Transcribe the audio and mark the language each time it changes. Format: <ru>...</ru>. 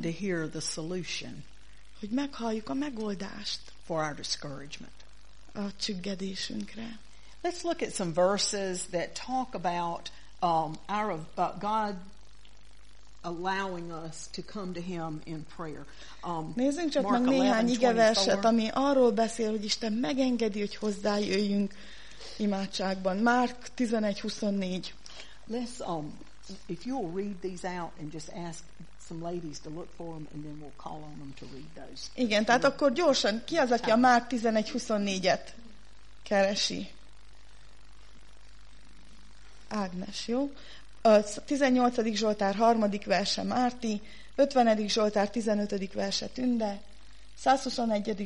<en>To hear the solution.</en> <hu>Hogy meghalljuk a megoldást.</hu> <en>For our discouragement.</en> <hu>A csüggedésünkre.</hu> <en>Let's look at some verses that talk about God allowing us to come to him in prayer.</en> <hu>Nézzünk csak meg néhány igeverset, ami arról beszél, hogy Isten megengedi, hogy hozzájöjjünk imádságban.</hu> <en>Mark 11:24. Let's if you'll read these out and just ask some ladies to look for them and then we'll call on them to read those.</en> <hu>Igen, tehát akkor gyorsan, ki az, aki a Márk 11:24-et keresi? Ágnes, jó? A 18. Zsoltár 3. verse Márti, 50. Zsoltár 15. verse Tünde, 121.</hu>